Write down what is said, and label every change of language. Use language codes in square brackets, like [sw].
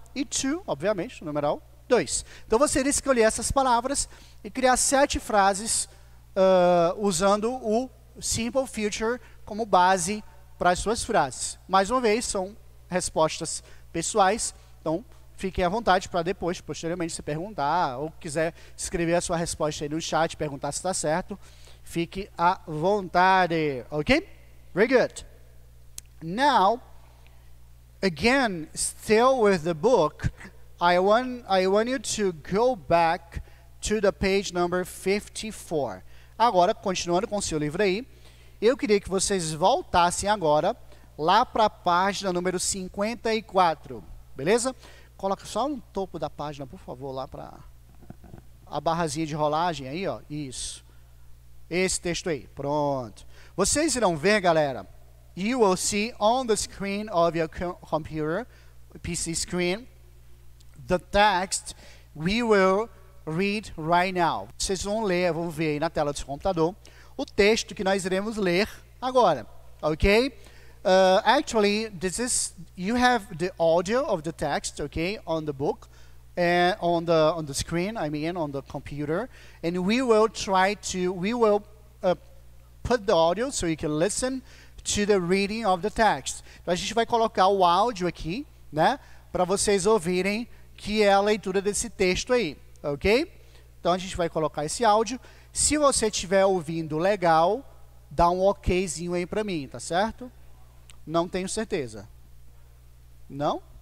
[pt] E to, obviamente, numeral 2. Então, você iria escolher essas palavras e criar 7 frases usando o simple future como base para as suas frases. Mais uma vez, são respostas pessoais, então fiquem à vontade para depois, posteriormente, se perguntar ou quiser escrever a sua resposta aí no chat, perguntar se está certo, fique à vontade, ok? [en] Very good. Now, again, still with the book, I want you to go back to the page number 54. [pt] Agora, continuando com o seu livro aí, eu queria que vocês voltassem agora lá para a página número 54, beleza? Coloca só no topo da página, por favor, lá para a barrazinha de rolagem aí, ó. Isso. Esse texto aí, pronto. Vocês irão ver, galera, [en] you will see on the screen of your computer, PC screen, the text we will read right now. [pt] Vocês vão ler, vão ver aí na tela do seu computador o texto que nós iremos ler agora, ok? [en] Actually, this is, you have the audio of the text, ok, on the book. and on the screen, I mean on the computer, and we will try to, we will put the audio so you can listen to the reading of the text. [pt] Então a gente vai colocar o áudio aqui, né, para vocês ouvirem que é a leitura desse texto aí, ok? Então a gente vai colocar esse áudio. Se você estiver ouvindo legal, dá um okzinho aí para mim, tá certo? Não tenho certeza. Não?